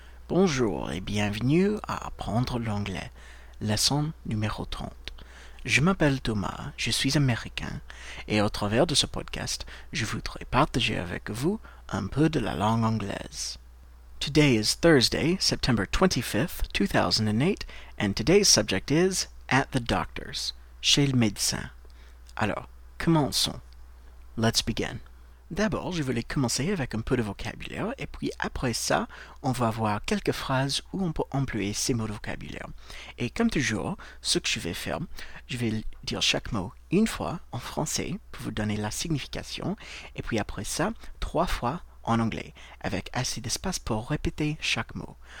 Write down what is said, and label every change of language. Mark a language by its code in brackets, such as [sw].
[fr] Bonjour et bienvenue à Apprendre l'anglais, leçon numéro 30. Je m'appelle Thomas, je suis américain, et au travers de ce podcast, je voudrais partager avec vous un peu de la langue anglaise. [en] Today is Thursday, September 25th, 2008, and today's subject is at the doctor's, [fr] chez le médecin. Alors, commençons. [en] Let's begin. [fr] D'abord, je voulais commencer avec un peu de vocabulaire, et puis après ça, on va voir quelques phrases où on peut employer ces mots de vocabulaire. Et comme toujours, ce que je vais faire, je vais dire chaque mot une fois en français pour vous donner la signification, et puis après ça, trois fois en anglais, avec assez d'espace pour répéter chaque mot.